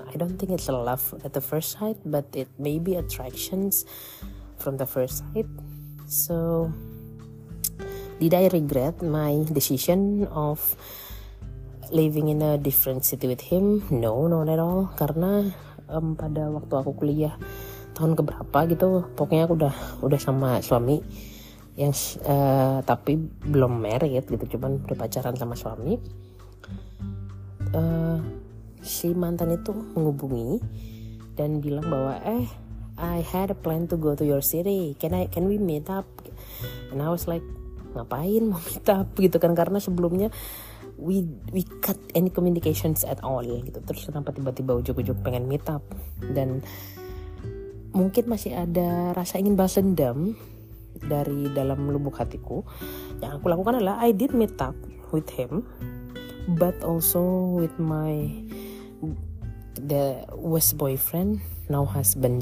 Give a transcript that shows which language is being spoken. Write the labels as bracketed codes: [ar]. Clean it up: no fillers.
[en] I don't think it's a love at the first sight, but it may be attractions from the first sight. So did I regret my decision of living in a different city with him? No, not at all. [id] Karena pada waktu aku kuliah tahun keberapa gitu, pokoknya aku udah sama suami yang tapi belum married gitu, cuman udah pacaran sama suami. Si mantan itu menghubungi dan bilang bahwa [en] I had a plan to go to your city. Can we meet up? And I was like, [id] ngapain mau meet up gitu kan, karena sebelumnya [en] we cut any communications at all gitu. [id] Terus kenapa tiba-tiba ujuk-ujuk pengen meet up? Dan mungkin masih ada rasa ingin balas dendam dari dalam lubuk hatiku. Yang aku lakukan adalah [en] I did meet up with him, but also with my the worst boyfriend, now husband.